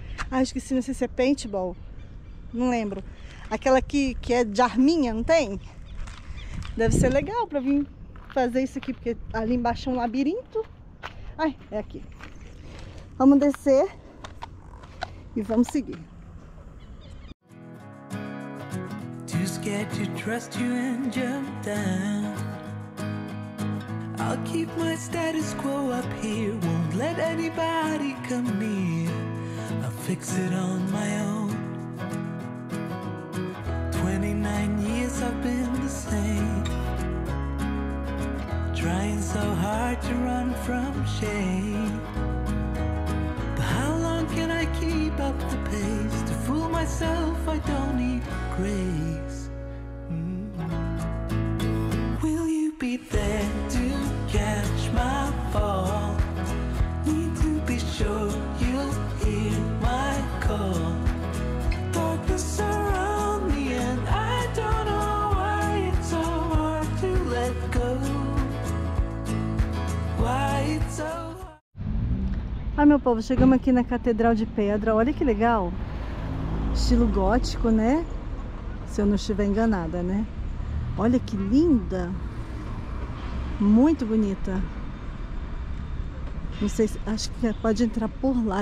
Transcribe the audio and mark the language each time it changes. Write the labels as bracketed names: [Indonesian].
[Portuguese] acho que se não sei se é paintball. Não lembro. Aquela que é de arminha, não tem? Deve ser legal pra vir fazer isso aqui, porque ali embaixo é um labirinto. Ai, é aqui. Vamos descer e vamos seguir. [English] Too scared to trust you and jump down. I'll keep my status quo up here. Won't let anybody come near. I'll fix it on my own. 29 years I've been the same. Trying so hard to run from shame. Can I keep up the pace? To fool myself, I don't need grace. Mm-hmm. Will you be there to catch my fall? Need to be sure you'll hear my call. Darkness around me and I don't know why it's so hard to let go. Why it's so... [Portuguese] Ah, meu povo, chegamos aqui na Catedral de Pedra. Olha que legal. Estilo gótico, né? Se eu não estiver enganada, né? Olha que linda. Muito bonita. Não sei, acho que pode entrar por lá.